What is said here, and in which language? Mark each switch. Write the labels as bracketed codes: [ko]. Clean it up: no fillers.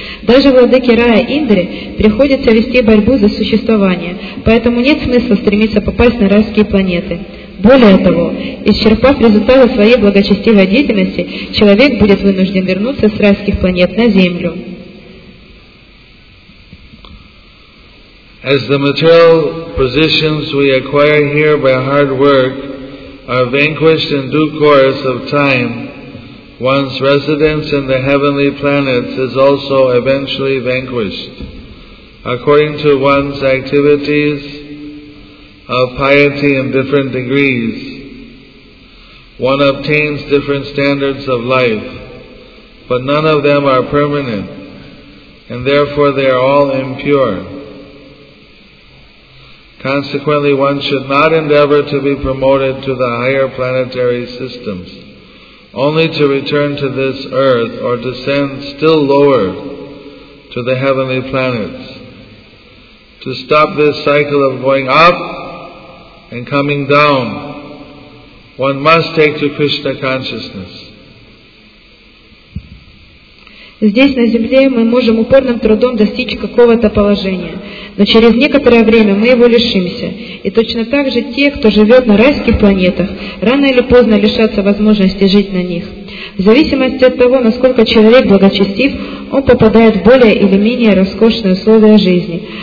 [ru] Даже владыке рая Индре приходится вести борьбу за существование, поэтому нет смысла стремиться попасть на райские планеты. Более того, исчерпав результаты своей благочестивой деятельности, человек будет вынужден вернуться с райских планет на землю. [en] As the material positions we acquire here by hard work are vanquished in due course of time, one's residence in the heavenly planets is also eventually vanquished. According to one's activities of piety in different degrees, one obtains different standards of life, but none of them are permanent, and therefore they are all impure. Consequently, one should not endeavor to be promoted to the higher planetary systems, only to return to this earth or descend still lower to the heavenly planets. To stop this cycle of going up and coming down, one must take to Krishna consciousness. [ru] Здесь, на земле, мы можем упорным трудом достичь какого-то положения, но через некоторое время мы его лишимся. И точно так же те, кто живет на райских планетах, рано или поздно лишатся возможности жить на них. В зависимости от того, насколько человек благочестив, он попадает в более или менее роскошные условия жизни.